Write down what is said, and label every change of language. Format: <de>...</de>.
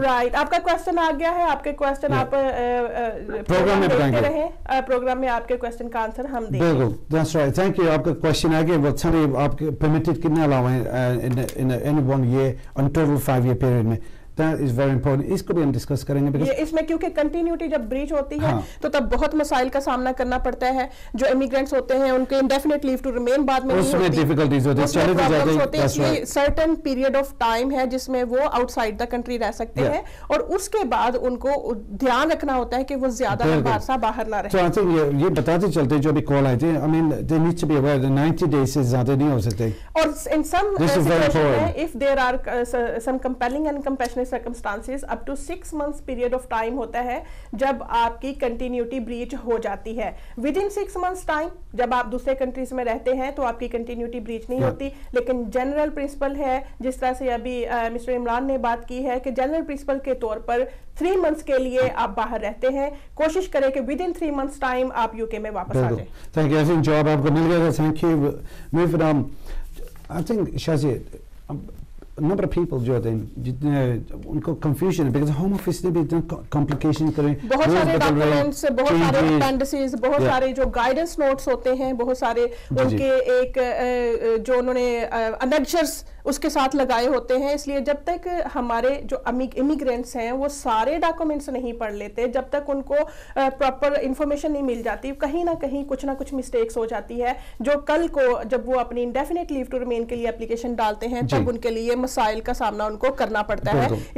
<hi>Right, आपका question आ गया है, आपके क्वेश्चन आप प्रोग्राम में बताएंगे, प्रोग्राम में आपके क्वेश्चन का आंसर हम देंगे। बिल्कुल,</hi> <en>that's right, thank you,</en> <hi>आपका क्वेश्चन आ गया, we'll tell you, आपके permitted कितने अलाव हैं in any 1 year, on total 5 year period में।</hi> <en>That is very important.</en> <hi>इसको भी हम discuss करेंगे because इसमें क्योंकि continuity जब breach होती है तो तब बहुत मसाइल का सामना करना पड़ता है। जो immigrants होते हैं उनके indefinite leave to remain बाद में नहीं होती, difficulties होती, challenges होते हैं, इसलिए certain period of time है जिसमें वो outside the country रह सकते हैं और उसके बाद उनको ध्यान रखना होता है कि वो ज्यादा लंबा सा बाहर ना रहे। तो आंसर ये बताते चलते जो भी कॉल आए थे,</hi> <en>I mean they need to be aware</en> <hi>90 days से ज्यादा नहीं हो सकते,</hi> <en>और in some if there are some compelling and compassionate circumstances up to 6 months period of time</en> <hi>होता है जब आपकी continuity breach हो जाती है। within 6 months time जब आप दूसरे countries में रहते हैं तो आपकी continuity breach नहीं होती, लेकिन general principle है जिस तरह से अभी Mr. Imran ने बात की है कि general principle के तौर पर 3 months के लिए आप बाहर रहते हैं, कोशिश करें कि within 3 months time आप UK में वापस आ जाएं।</hi> <en>Thank you, I think</en> <hi>job आपको मिल गया, thank you,</hi> <en>move it on.</en> <hi>I think Shazid, number of people जो थे उनको confusion है because home office ने भी इतना complication करे, बहुत सारे documents, बहुत सारे dependencies, बहुत सारे जो guidance notes होते हैं, बहुत सारे उनके एक जो उन्होंने annexures उसके साथ लगाए होते हैं, इसलिए जब तक हमारे जो immigrants हैं वो सारे documents नहीं पढ़ लेते, जब तक उनको proper information नहीं मिल जाती, कहीं ना कहीं कुछ ना कुछ mistakes हो जाती है जो कल को जब वो अपनी indefinite leave to remain के लिए application डालते हैं तब उनके लिए मसाइल का सामना उनको करना पड़ता है।</hi>